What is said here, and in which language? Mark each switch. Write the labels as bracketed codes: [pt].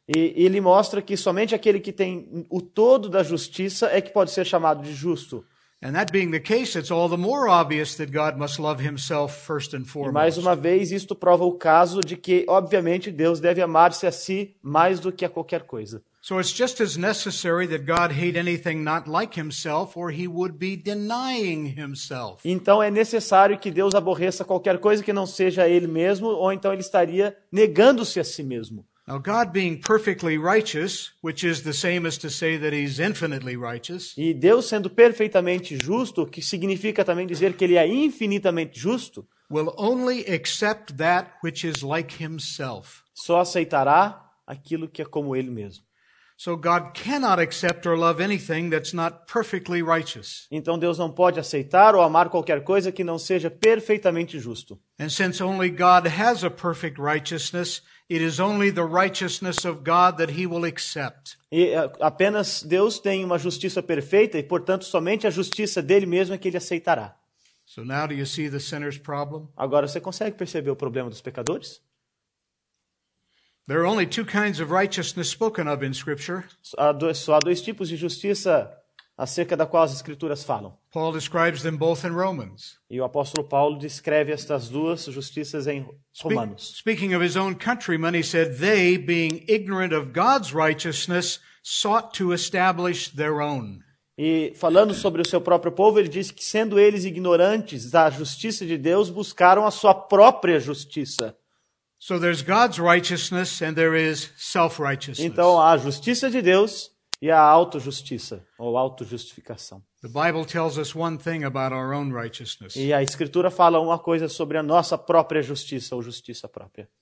[pt] E ele mostra que somente aquele que tem o todo da justiça é que pode ser chamado de justo. [en] And that being the case, it's all the more obvious that God must love himself first and foremost. [pt] E mais uma vez, isto prova o caso de que, obviamente, Deus deve amar-se a si mais do que a qualquer coisa. [en] So it's just as necessary that God hate anything not like himself, or he would be denying himself. [pt] Então é necessário que Deus aborreça qualquer coisa que não seja ele mesmo, ou então ele estaria negando-se a si mesmo. [en] Now God being perfectly righteous, which is the same as to say that he's infinitely righteous. [pt] E Deus sendo perfeitamente justo, que significa também dizer que ele é infinitamente justo, [en] will only accept that which is like himself. [pt] Só aceitará aquilo que é como ele mesmo. [en] So God cannot accept or love anything that's not perfectly righteous. [pt] Então Deus não pode aceitar ou amar qualquer coisa que não seja perfeitamente justo. [en] And since only God has a perfect righteousness, it is only the righteousness of God that he will accept. [pt] E apenas Deus tem uma justiça perfeita e portanto somente a justiça dele mesmo é que ele aceitará. [en] So now do you see the sinner's problem? [pt] Agora você consegue perceber o problema dos pecadores? [en] There are only two kinds of righteousness spoken of in Scripture. [pt] Só há dois tipos de justiça acerca da qual as Escrituras falam. [en] Paul describes them both in Romans. [pt] E o apóstolo Paulo descreve estas duas justiças em Romanos. [en] Speaking of his own countrymen, he said, they, being ignorant of God's righteousness, sought to establish their own. [pt] E falando sobre o seu próprio povo, ele diz que sendo eles ignorantes da justiça de Deus, buscaram a sua própria justiça. [en] So there's God's righteousness and there is self-righteousness. [pt] Então há a justiça de Deus e a autojustiça ou autojustificação. [en] The Bible tells us one thing about our own righteousness. [pt] E a Escritura fala uma coisa sobre a nossa própria justiça ou justiça própria.